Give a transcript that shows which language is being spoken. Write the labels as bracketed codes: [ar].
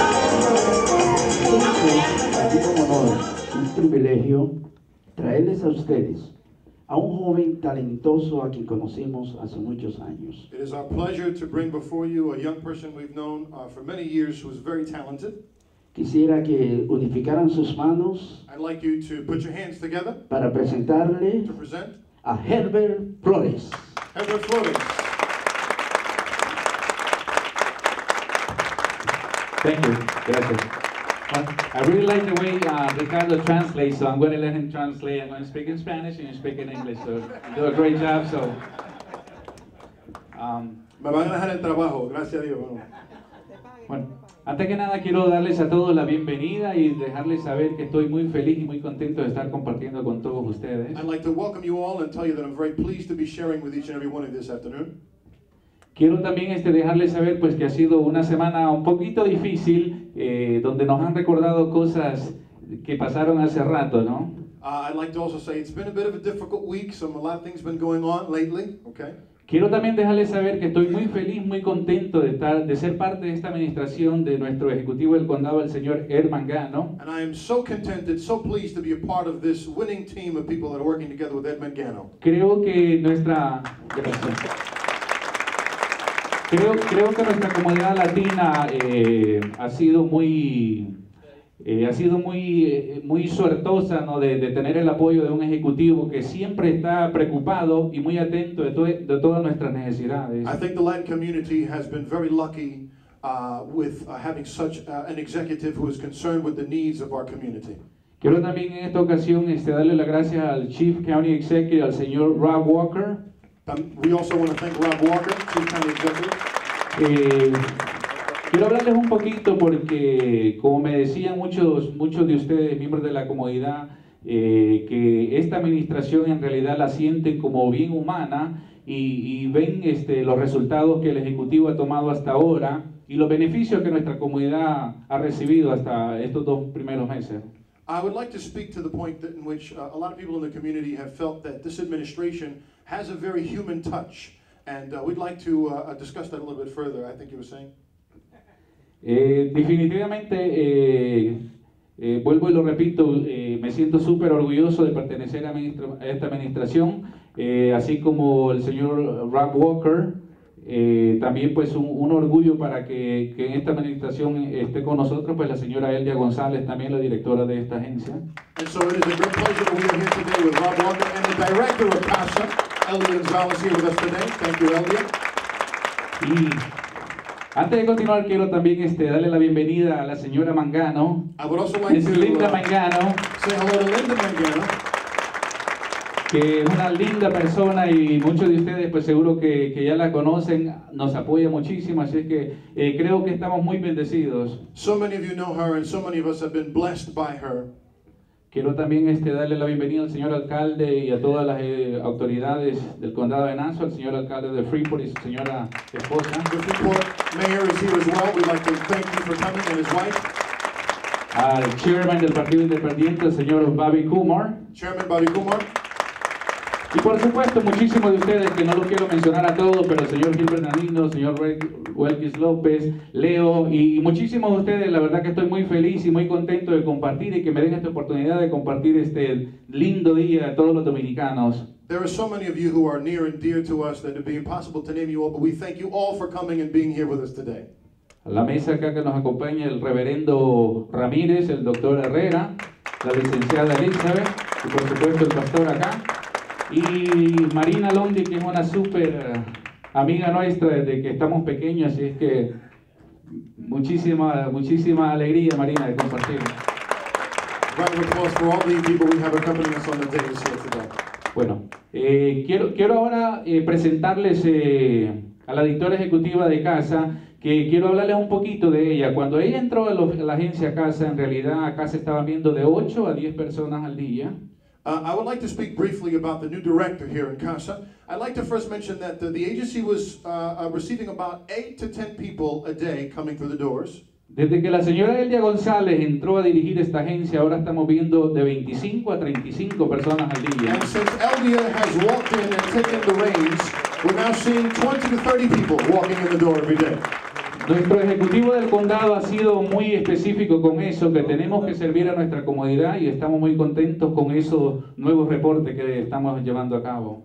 [es] Es un honor, un privilegio traerles a ustedes a un joven talentoso a quien conocimos hace muchos años. [en] It is our pleasure to bring before you a young person we've known for many years who is very talented. [es] Quisiera que unificaran sus manos. [en] I'd like you to put your hands together [es] para presentarle [en] to present [es] a Herbert Flores. [en] Herbert Flores. Thank you. [es] Gracias. [en] I really like the way Ricardo translates, so I'm going to let him translate. I'm going to speak in Spanish and you speak in English, so you do a great job, so. [es] Me van a dejar el trabajo, gracias a Dios. Bueno, antes que nada quiero darles a todos la bienvenida y dejarles saber que estoy muy feliz y muy contento de estar compartiendo con todos ustedes. [en] I'd like to welcome you all and tell you that I'm very pleased to be sharing with each and every one of you this afternoon. [es] Quiero también dejarles saber pues que ha sido una semana un poquito difícil donde nos han recordado cosas que pasaron hace rato, ¿no? [en] I'd like to also say it's been a bit of a difficult week, so a lot of things been going on lately, okay? [es] Quiero también dejarles saber que estoy muy feliz, muy contento de estar de ser parte de esta administración de nuestro ejecutivo del condado, el señor Mangano. [en] And I am so contented, so pleased to be a part of this winning team of people that are working together with Mangano. [es] Creo que nuestra Creo que nuestra comunidad latina ha sido muy suertosa, ¿no? de tener el apoyo de un ejecutivo que siempre está preocupado y muy atento de todas nuestras necesidades. [en] I think the Latin community has been very lucky with having such an executive who is concerned with the needs of our community. [es] Quiero también en esta ocasión darle las gracias al [en] Chief County Executive, [es] al señor Rob Walker. [en] We also want to thank Rob Walker, Chief County Executive. [es] Quiero hablarles un poquito porque, como me decían muchos de ustedes, miembros de la comunidad, que esta administración en realidad la sienten como bien humana y ven los resultados que el Ejecutivo ha tomado hasta ahora y los beneficios que nuestra comunidad ha recibido hasta estos dos primeros meses. [en] I would like to speak to the point that in which a lot of people in the community have felt that this administration has a very human touch. And we'd like to discuss that a little bit further, I think you were saying. [es] Definitivamente, vuelvo y lo repito, me siento súper orgulloso de pertenecer a esta administración, así como el señor Rob Walker, también pues un orgullo para que en esta administración esté con nosotros, pues la señora Eldia Gonzalez, también la directora de esta agencia. [en] And so it is a great pleasure that we are here today with Rob Walker and the director of CASA. Gonzalez here with us today. Thank you, Eldia. [es] Y antes de continuar, quiero también darle la bienvenida a la señora Mangano. [en] I would also like to Linda Mangano. Say hello to Linda Mangano. [es] Que es una linda persona y muchos de ustedes pues seguro que ya la conocen, nos apoya muchísimo, así que creo que estamos muy bendecidos. [en] So many of you know her and so many of us have been blessed by her. [es] Quiero también darle la bienvenida al señor alcalde y a todas las autoridades del condado de Nassau, al señor alcalde de Freeport y su señora esposa. [en] The Freeport mayor is here as well. We'd like to thank you for coming and his wife. [es] Al chairman del partido independiente, el señor Bobby Kumar. [en] Chairman Bobby Kumar. [es] Y por supuesto, muchísimos de ustedes que no los quiero mencionar a todos, pero el señor Gil Bernardino, el señor Welkis López, Leo y muchísimos de ustedes, la verdad que estoy muy feliz y muy contento de compartir y que me den esta oportunidad de compartir este lindo día a todos los dominicanos. [en] There are so many of you who are near and dear to us that it'd be impossible to name you all, but we thank you all for coming and being here with us today. [es] A la mesa acá que nos acompaña el reverendo Ramírez, el doctor Herrera, la licenciada Elizabeth y por supuesto el pastor acá. Y Marina Londi, que es una súper amiga nuestra desde que estamos pequeños, así es que muchísima alegría, Marina, de compartir. [en] Round of applause for all the people we have accompanying us on the day this year today. [es] Bueno, quiero ahora presentarles a la directora ejecutiva de CASA, que quiero hablarles un poquito de ella. Cuando ella entró a la agencia CASA, en realidad acá se estaban viendo de 8 a 10 personas al día. [en] I would like to speak briefly about the new director here in CASA. I'd like to first mention that the agency was receiving about 8 to 10 people a day coming through the doors. [es] Desde que la señora Eldia Gonzalez entró a dirigir esta agencia, ahora estamos viendo de 25 a 35 personas al día. [en] And since Eldia has walked in and taken the reins, we're now seeing 20 to 30 people walking in the door every day. [es] Nuestro ejecutivo del condado ha sido muy específico con eso, que tenemos que servir a nuestra comunidad y estamos muy contentos con esos nuevos reportes que estamos llevando a cabo.